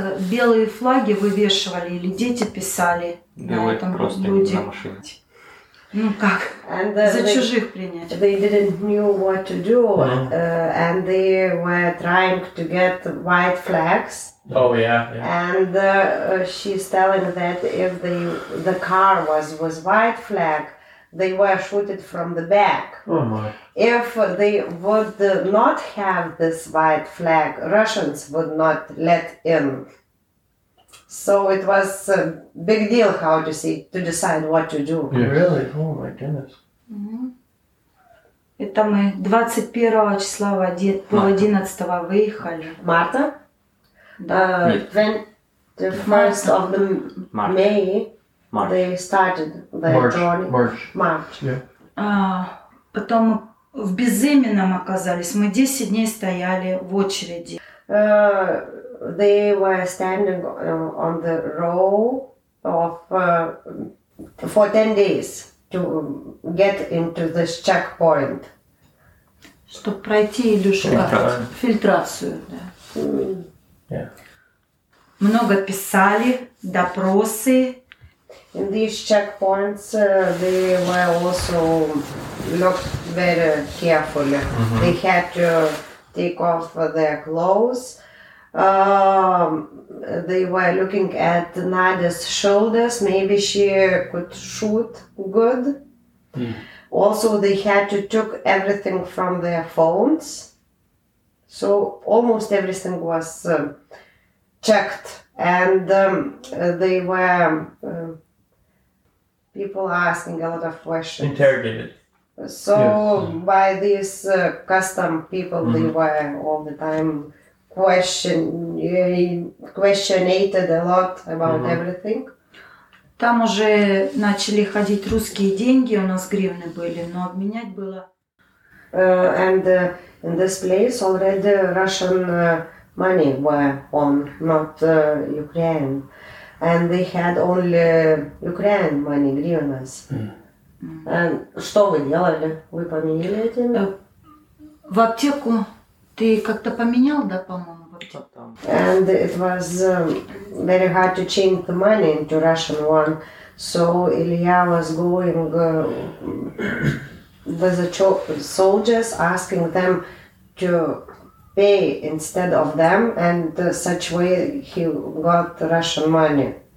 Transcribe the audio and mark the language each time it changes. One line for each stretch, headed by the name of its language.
Russian: Белые флаги вывешивали или дети писали белые на этом просто люди. На машине. Ну как? And, за чужих принять.
English: They didn't knew what to do, and they were trying to get white flags. Oh, yeah. And she's telling that if the car was with white flag, they were shooted from the back. Oh, my. If they would not have this white flag, Russians would not let in. So it was a big deal how to see, to decide what to do. Yeah, really? Oh, my goodness. Mm-hmm.
Russian: Это мы 21 числа в 11 выехали. Марта?
English: The 21st of the March. May, March. They started the March. Journey. March.
Russian: Потом мы в Безыменном оказались. Мы 10 дней стояли в очереди.
English: They were standing on the row for 10 days. to get into this checkpoint.
Russian: Чтобы пройти Илюшу фильтрацию, да. Много писали, допросы.
English: In these checkpoints, they were also looked very carefully. Mm-hmm. They had to take off their clothes. They were looking at Nadia's shoulders. Maybe she could shoot good. Mm. Also, they had to took everything from their phones. So almost everything was checked. And they were people asking a lot of questions. Interrogated. So yes. By these custom people, mm-hmm. they were all the time questionated a lot about mm-hmm. everything.
Russian: Там уже начали ходить русские деньги, у нас гривны были, но обменять было.
English: And in this place already Russian money were on, not Ukraine. And they had only Ukraine money, гривнас.
Russian: And что вы делали? Вы поменяли эти? В аптеку. Ты как-то поменял, да, по-моему, в аптеку?
English: And it was very hard to change the money into Russian one. So Ilya was going with the soldiers, asking them to pay instead of them, and such way he got Russian money.